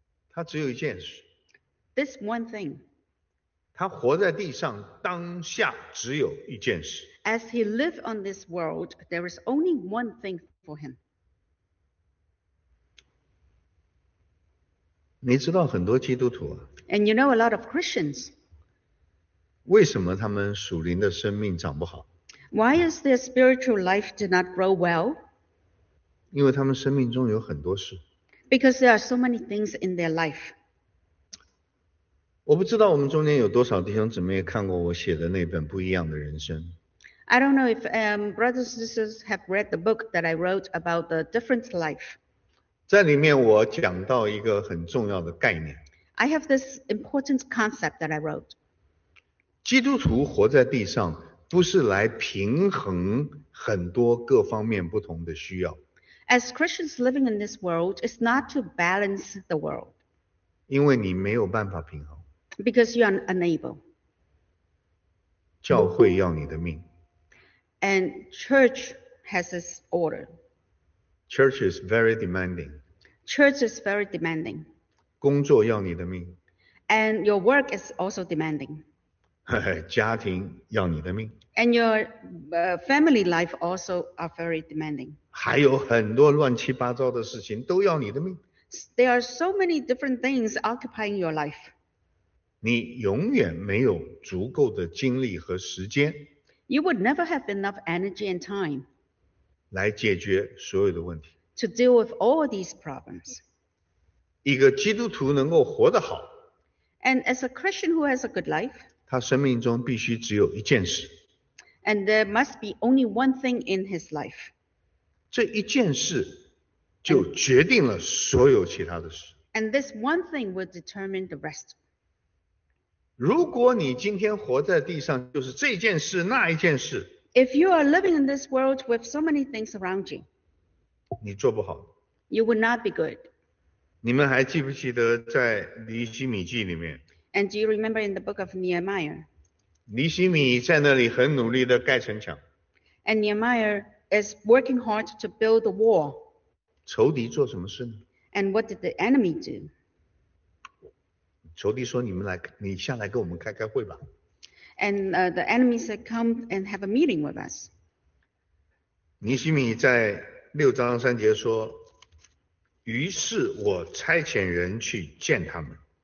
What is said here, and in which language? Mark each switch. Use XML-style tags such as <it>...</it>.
<zh>他只有一件事。</zh> <en>This one thing.</en> <zh>他活在地上，当下只有一件事。</zh> <en>As he lived on this world, there is only one thing for him.</en> <zh>你知道很多基督徒啊。</zh> <en>And you know a lot of Christians.</en> <zh>为什么他们属灵的生命长不好</zh> <en>？Why is their spiritual life did not grow well?</en> <zh>因为他们生命中有很多事。</zh> <en>Because there are so many things in their life.</en> <zh>我不知道我们中间有多少弟兄姊妹看过我写的那本《不一样的人生》。</zh> <en>I don't know if brothers and sisters have read the book that I wrote about the different life.</en> <zh>在里面我讲到一个很重要的概念。</zh> <en>I have this important concept that I wrote.</en> <zh>基督徒活在地上不是来平衡很多各方面不同的需要。</zh> <en>As Christians living in this world, it's not to balance the world.</en> <zh>因为你没有办法平衡。</zh> <en>Because you are unable.</en> <zh>教会要你的命。</zh> <en>And church has its order. Church is very demanding. Church is very demanding.</en> <zh>工作要你的命。</zh> <en>And your work is also demanding.</en> <zh>家庭要你的命。</zh> <en>And your family life also are very demanding.</en> <zh>还有很多乱七八糟的事情都要你的命。</zh> <en>There are so many different things occupying your life.</en> <zh>你永远没有足够的精力和时间。</zh> <en>You would never have enough energy and time.</en> <zh>来解决所有的问题。</zh> <en>To deal with all these problems.</en> <zh>一个基督徒能够活得好。</zh> <en>And as a Christian who has a good life.</en> <zh>他生命中必须只有一件事。</zh> <en>And there must be only one thing in his life.</en> <zh>这一件事就决定了所有其他的事。</zh> <en>And this one thing will determine the rest.</en> <zh>如果你今天活在地上就是这件事那一件事。</zh> <en>If you are living in this world with so many things around you.</en> <zh>你做不好。</zh> <en>You will not be good.</en> <zh>你们还记不记得在尼希米记里面。</zh> <en>And do you remember in the book of Nehemiah?</en> <zh>尼希米在那里很努力地盖城墙。</zh> <en>And Nehemiah is working hard to build the wall.</en> <zh>仇敌做什么事呢</zh> <en>？And what did the enemy do?</en> <zh>仇敌说：“你们来，你下来跟我们开开会吧。</zh> <en>”And the enemy said, "Come and have a meeting with us."</en> <zh>尼希米在六章三节说：“于是我差遣人去见他们。</zh>